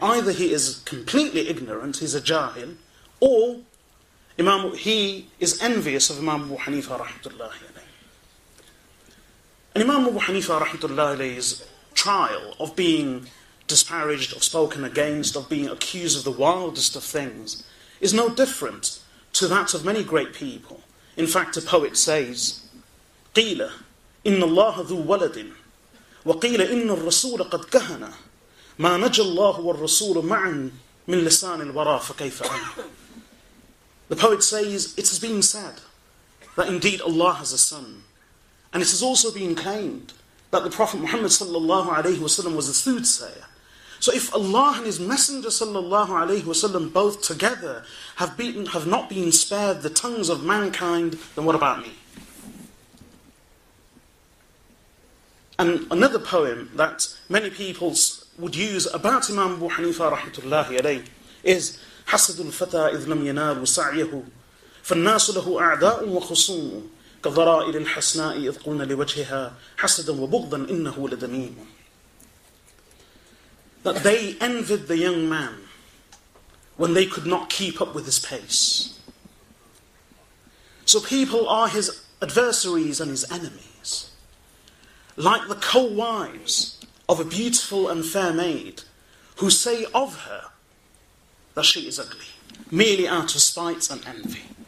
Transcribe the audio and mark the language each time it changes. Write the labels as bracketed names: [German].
[English] Either he is completely ignorant, he's a jahil, or he is envious of Imam Abu Hanifa rahmatullahi alayhi. And Imam Abu Hanifa rahmatullahi alayhi's trial of being disparaged, of spoken against, of being accused of the wildest of things, is no different to that of many great people. In fact, a poet says, [Arabic] قِيلَ إِنَّ اللَّهَ ذُو وَلَدٍ وَقِيلَ إِنَّ الرَّسُولَ قَدْ كَهَنَ مَا نَجَى اللَّهُ وَالرَّسُولُ مَعًا مِنْ لِسَانِ الْوَرَى فَكَيْفَ أَنَا. [English] The poet says, it has been said that indeed Allah has a son. And it has also been claimed that the Prophet Muhammad sallallahu alayhi wa sallam was a soothsayer. So if Allah and his Messenger sallallahu alayhi wa sallam both together have not been spared the tongues of mankind, then what about me? And another poem that many people would use about Imam Abu Hanifa rahmatullahi alayhi is [Arabic] حسد الفتى إذ لم ينال وسعيه فالناس له أعداء وخصوم كضرائر الحسناء إذ قلنا لوجهها حسدا وبغضا إنه لدميم. [English] That they envied the young man when they could not keep up with his pace. So people are his adversaries and his enemies. Like the co-wives of a beautiful and fair maid who say of her that she is ugly, merely out of spite and envy.